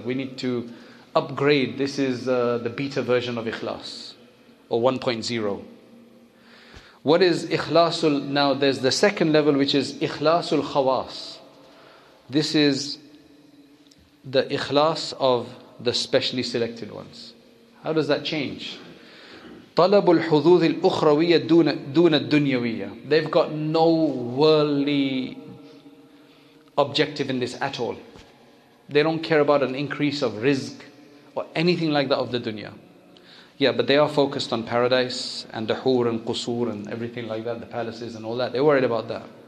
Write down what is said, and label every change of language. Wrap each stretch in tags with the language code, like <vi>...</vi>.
<en>We need to upgrade. This is the beta version of ikhlas, or 1.0. What is ikhlasul? Now, there's the second level, which is ikhlasul khawas. This is the ikhlas of the specially selected ones. How does that change?</en> <ar>طلب الحظوظ الأخروية دون الدنيوية.</ar> <en>They've got no worldly objective in this at all. They don't care about an increase of rizq or anything like that of the dunya. Yeah, but they are focused on paradise and the hur and qusur and everything like that, the palaces and all that. They're worried about that.</en>